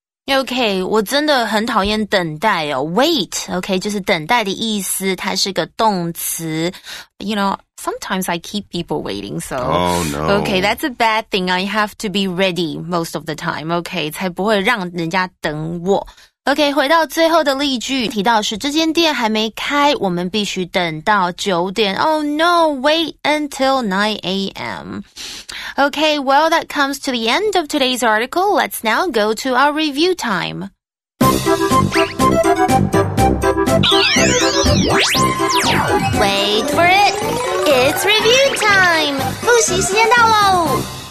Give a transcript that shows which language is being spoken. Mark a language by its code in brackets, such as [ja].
[zh] Okay, 我真的很讨厌等待哦。Wait, okay, 就是等待的意思。它是个动词。 [en] You know, sometimes I keep people waiting, so... Oh, no. Okay, that's a bad thing. I have to be ready most of the time, okay? [zh] 才不会让人家等我。 OK, 回到最后的例句提到是这间店还没开我们必须等到九点。 [en] Oh no, wait until 9 a.m. OK, well, that comes to the end of today's article. Let's now go to our review time. Wait for it. It's review time. [zh] 复习时间到喽。